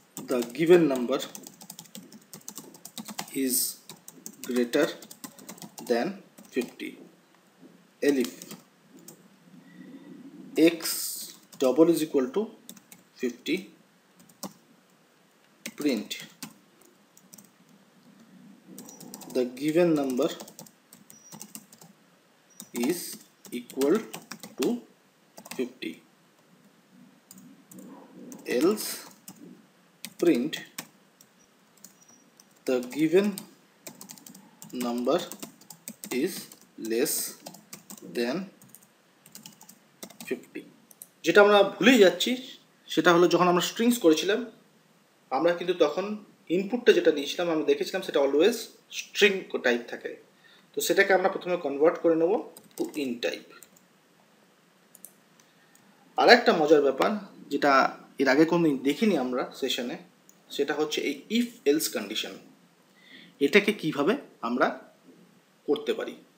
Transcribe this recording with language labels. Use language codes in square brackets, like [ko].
[en] The given number is greater than 50 elif x double is equal to 50 print the given number is equal to 50, else print the given number is less than 50. [bn] যেটা আমরা ভুলে যাচ্ছি সেটা হলো যখন আমরা strings করেছিলাম আমরা কিন্তু তখন ইনপুটটা যেটা নিয়েছিলাম আমরা দেখেছিলাম সেটা অলওয়েজ স্ট্রিং টাইপ থাকে, তো সেটাকে আমরা প্রথমে কনভার্ট করে নেব টু ইন টাইপ। আর একটা মজার ব্যাপার যেটা এর আগে কোনো দেখিনি আমরা সেশনে, সেটা হচ্ছে এই ইফ এলস কন্ডিশন, এটাকে কিভাবে আমরা করতে পারি।